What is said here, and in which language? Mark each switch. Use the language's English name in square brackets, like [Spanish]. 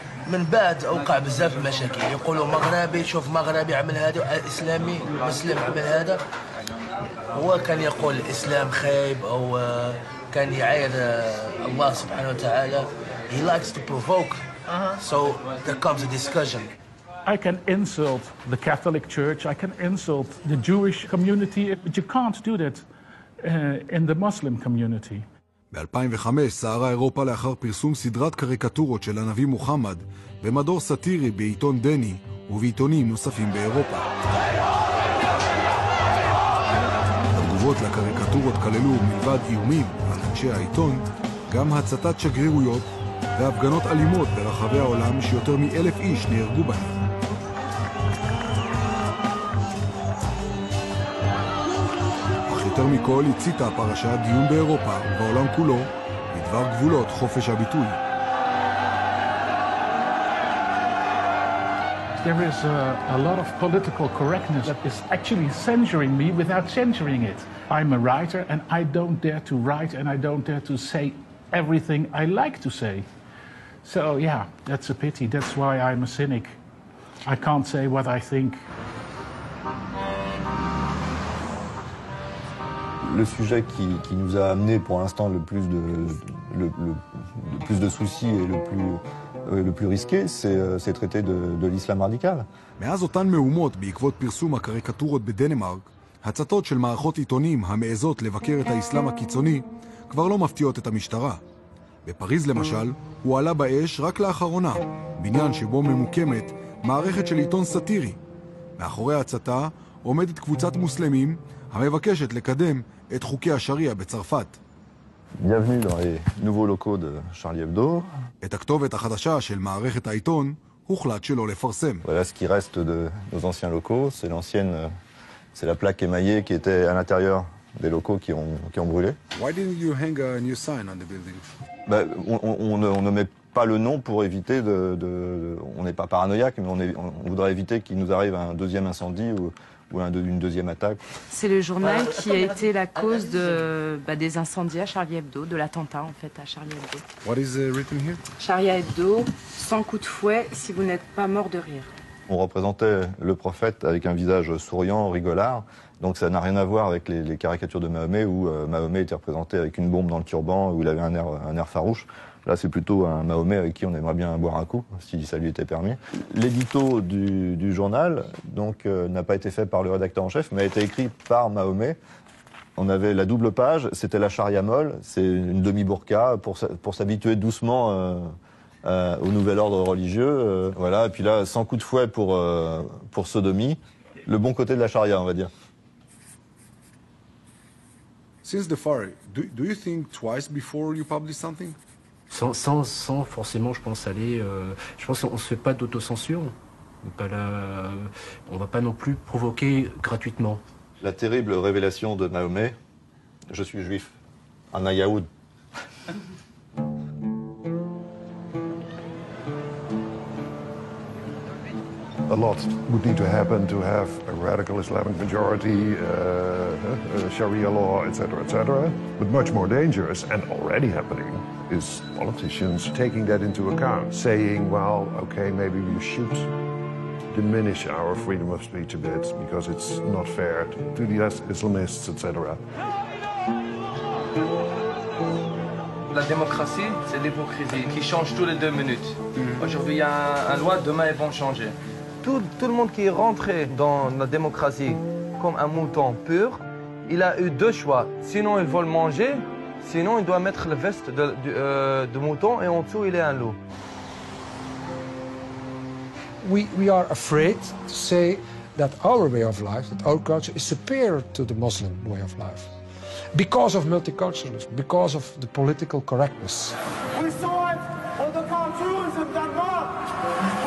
[Arabic] من بعد اوقع بزاف مشاكل يقولوا مغربي شوف مغربي عمل هذا اسلامي مسلم عمل هذا هو كان يقول الاسلام خايب او كان يعاير الله سبحانه وتعالى [English] he likes to provoke so there comes a discussion I can insult the Catholic Church I can insult the Jewish community but you can't do that in the Muslim community [Hebrew] ב-2005 סערה אירופה לאחר פרסום סדרת קריקטורות של הנביא מוחמד במדור סטירי בעיתון דני ובעיתונים נוספים באירופה. התגובות לקריקטורות כללו מלבד איומים על אנשי העיתון, גם הצתת שגרירויות והפגנות אלימות ברחבי העולם שיותר מ-1,000 איש נהרגו בהן. יותר מכל הציתה הפרשה דיון באירופה ובעולם כולו בדבר גבולות חופש הביטוי. [English] There is a lot of political correctness that is actually censoring me without censoring it. I'm a writer and I don't dare to write and I don't dare to say everything I like to say. So yeah, that's a pity. That's why I'm a cynic. I can't say what I think. [French] Le sujet qui nous a amené pour l'instant le plus de soucis et le plus risqué, c'est traité de l'islam radical. [Hebrew] מאז אותן מהומות בעקבות פרסום הקריקטורות בדנמרק, הצתות של מערכות עיתונים המעזות לבקר את האסלאם הקיצוני כבר לא מפתיעות את המשטרה. בפריז למשל, הוא עלה באש רק לאחרונה, בניין שבו ממוקמת מערכת של עיתון סטירי. מאחורי הצתה עומדת קבוצת מוסלמים המבקשת לקדם את חוקי השריעה בצרפת. [French] Bienvenue dans les nouveaux locaux de Charlie Hebdo. [Hebrew] את הכתובת החדשה של מערכת העיתון הוחלט שלא לפרסם. [French] Voilà ce qui reste de nos anciens locaux, c'est la plaque émaillée qui était à l'intérieur des locaux qui ont brûlé. [English] Why didn't you hang a new sign on the building? [French] On ne met pas le nom pour éviter on n'est pas paranoïaque mais on voudrait éviter qu'il nous arrive un deuxième incendie ou une deuxième attaque. C'est le journal qui a été la cause des incendies à Charlie Hebdo, de l'attentat en fait à Charlie Hebdo. [English] What is written here? [French] Charlie Hebdo, 100 coups de fouet si vous n'êtes pas mort de rire. On représentait le prophète avec un visage souriant, rigolard, donc ça n'a rien à voir avec les caricatures de Mahomet où Mahomet était représenté avec une bombe dans le turban, où il avait un air farouche. Là, c'est plutôt un Mahomet avec qui on aimerait bien boire un coup, si ça lui était permis. L'édito du journal n'a pas été fait par le rédacteur en chef, mais a été écrit par Mahomet. On avait la double page, c'était la charia molle, c'est une demi-burqa pour s'habituer doucement au nouvel ordre religieux. Voilà. Et puis là, 100 coups de fouet pour sodomie, le bon côté de la charia, on va dire. [English] Since the fire, do you think twice before you publish something? [French] Sans forcément, je pense aller. Je pense qu'on se fait pas d'autocensure. On va pas non plus provoquer gratuitement. La terrible révélation de Mahomet. Je suis juif. [Arabic] Anna Yaoud. [English] A lot would need to happen to have a radical Islamic majority, Sharia law, etc., etc. But much more dangerous and already happening is politicians taking that into account, saying, well, okay, maybe we should diminish our freedom of speech a bit because it's not fair to the Islamists, etc. [French] La démocratie, c'est l'hypocrisie qui change tous les deux minutes. Mm-hmm. Aujourd'hui, il y a une loi, demain, ils vont changer. Tout le monde qui est rentré dans la démocratie comme un mouton pur, il a eu deux choix. Sinon, ils veulent manger, sinon, il doit mettre la veste de mouton et en dessous, il est un loup. [English] We are afraid to say that our way of life, that our culture, is superior to the Muslim way of life. Because of multiculturalism, because of the political correctness. We saw it on the cartoons in Denmark.